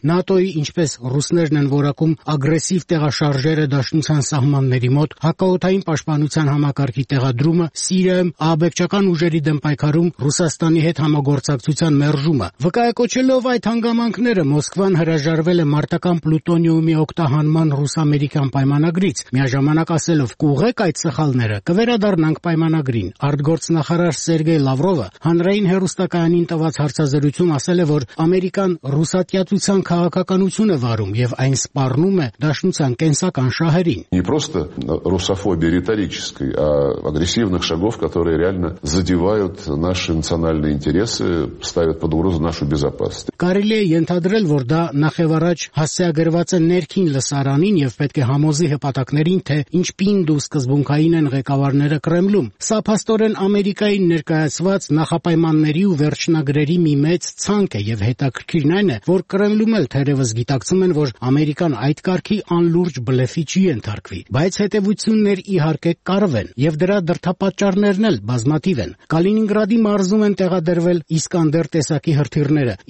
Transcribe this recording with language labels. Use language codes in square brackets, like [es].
[hy] ՆԱՏՕ-ի ինչպես ռուսներն են որակում ագրեսիվ տեղաշարժերը Դաշնության սահմանների մոտ, հակաօդային պաշտպանության համակարգի տեղադրումը Սիրիայում, ԱԱԲ-ական ուժերի դեմ պայքարում Ռուսաստանի հետ համագործակցության մերժումը։ Վկայակոչելով այդ հանգամանքները, Մոսկվան հրաժարվել է մարտական պլուտոնիումի օգտահանման ռուս-ամերիկյան պայմանագրից, միաժամանակ ասելով՝ «Կուղեք այդ սխալները, կվերադառնանք պայմանագրին»։ Արտգործնախարար Սերգեյ Լավրովը հանրային հեռուստակայանին տված հարցազրույցում ասել է, որ Ամերիկան ռուսատյացության քաղաքականություն է վարում և այն սպառնում է Դաշնության կենսական շահերին։ [ru] Не просто русофобия риторической, а агрессивных шагов, которые реально задевают наши национальные интересы, ставят под угрозу нашу безопасность. [hy] Կարելի է ենթադրել, որ դա նախևառաջ հասցեագրված է ներքին լսարանին և պետք է համոզի հպատակներին, թե ինչպին դու սկզբունքային են ղեկավարները Կրեմլում։ Սա փաստորեն Ամերիկայի ներկայացված նախապայմանների ու վերջնագրերի մի մեծ ցանկ է, և հետաքրքիրն այն է, որ Կրեմլում էլ թերևս գիտակցում են, որ Ամերիկան այդ կարգի անլուրջ բլեֆի չի ենթարկվի, բայց հետևություններ իհարկե կարվեն, և դրա դրդապատճառներն էլ բազմաթիվ են։ Կալինինգրադի մարզում են տեղադրվել Իսկանդեր տեսակի հրթիռները,